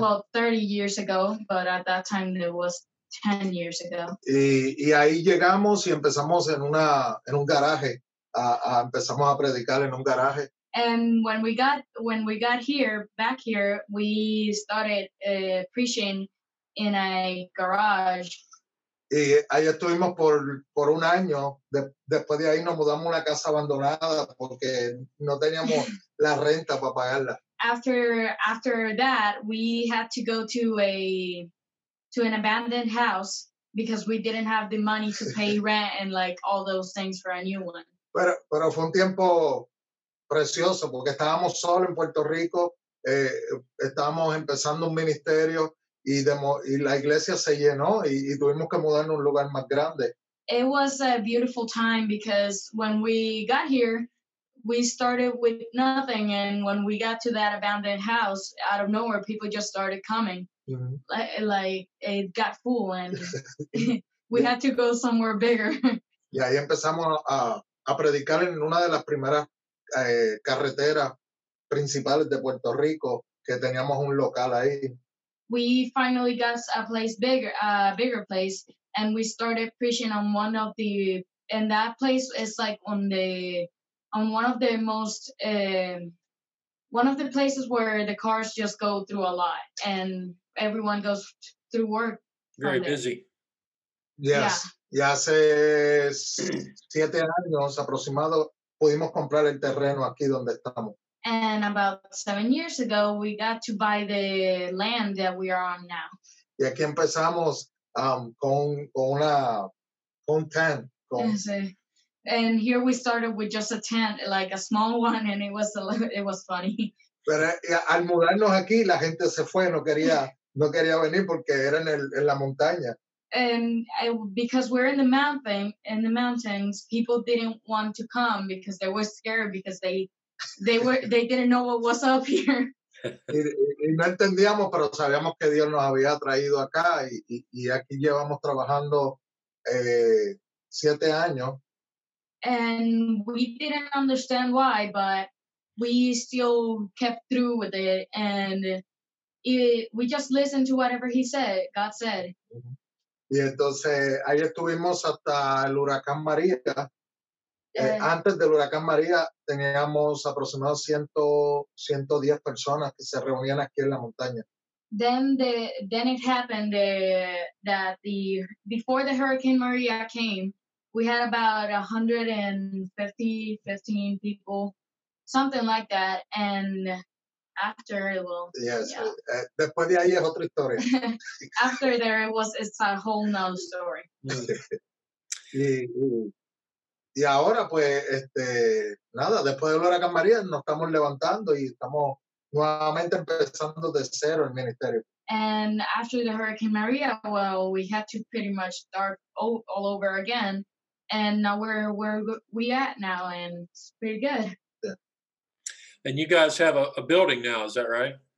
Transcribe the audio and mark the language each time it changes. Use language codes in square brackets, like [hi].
[en] Well, 30 years ago, but at that time it was 10 years ago. [es] Y ahí llegamos y empezamos en un garaje. Empezamos a predicar en un garaje. [en] And when we got here, back here, we started preaching in a garage. [es] Y ahí estuvimos por un año. Después de ahí nos mudamos a una casa abandonada porque no teníamos la renta para pagarla. After that, we had to go to an abandoned house because we didn't have the money to pay rent and like all those things for a new one. Pero fue un tiempo precioso porque estábamos solos en Puerto Rico. Estábamos empezando un ministerio. Y la iglesia se llenó y tuvimos que mudarnos a un lugar más grande. [en] It was a beautiful time because when we got here, we started with nothing. And when we got to that abandoned house, out of nowhere, people just started coming. Mm-hmm. Like it got full and we had to go somewhere bigger. [es] Y ahí empezamos a predicar en una de las primeras carreteras principales de Puerto Rico, que teníamos un local ahí. [en] We finally got a place bigger, a bigger place, and we started preaching on one of the, and that place is like on the, on one of the most, one of the places where the cars just go through a lot, and everyone goes through work. Very busy. Yes. [es] Ya hace 7 años aproximado pudimos comprar el terreno aquí donde estamos. [en] And about 7 years ago, we got to buy the land that we are on now. [es] Y aquí empezamos con tent. [en] And here we started with just a tent, like a small one, and it was funny. [es] Pero al mudarnos aquí, la gente se fue, no quería venir porque era en la montaña. [en] And because we're in the mountains, people didn't want to come because they were scared because they didn't know what was up here. [es] Y no entendíamos, pero sabíamos que Dios nos había traído acá y aquí llevamos trabajando 7 años. [en] And we didn't understand why, but we still kept through with it, and we just listened to whatever he said, God said. Mm-hmm. [es] Y entonces ahí estuvimos hasta el huracán María. Antes del huracán María teníamos aproximadamente 110 personas que se reunían aquí en la montaña. [en] Then it happened that before the Hurricane Maria came, we had about 115 people, something like that, and after it will. [es] Yes. Yeah. Después de ahí es otra historia. [en] After there it's a whole nother story. [es] y ahora pues nada, después de la Gran María nos estamos levantando y estamos nuevamente empezando de cero el ministerio. [en] And after the Hurricane Maria, well, we had to pretty much start all over again, and now where we at now, and it's pretty good. And you guys have a building now, is that right?